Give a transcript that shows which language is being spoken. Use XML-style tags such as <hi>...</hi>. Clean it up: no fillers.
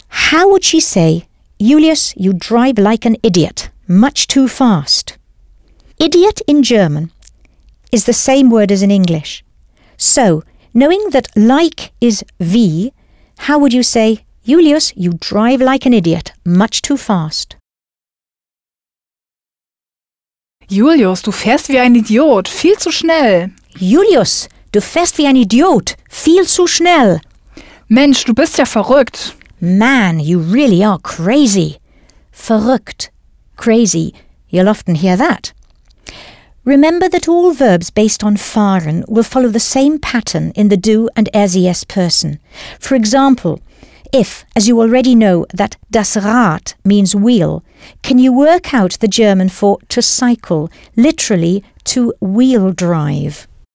<en>How would she say, Julius, you drive like an idiot, much too fast? Idiot in German is the same word as in English. So, knowing that like is wie, how would you say, Julius, you drive like an idiot, much too fast?</en> <de>Julius, du fährst wie ein Idiot, viel zu schnell. Julius, du fährst wie ein Idiot, viel zu schnell. Mensch, du bist ja verrückt.</de> <en>Man, you really are crazy. Verrückt, crazy, you'll often hear that. Remember that all verbs based on fahren will follow the same pattern in the do and RCS person. For example, if, as you already know, that das Rad means wheel, can you work out the German for to cycle, literally to wheel drive?</en>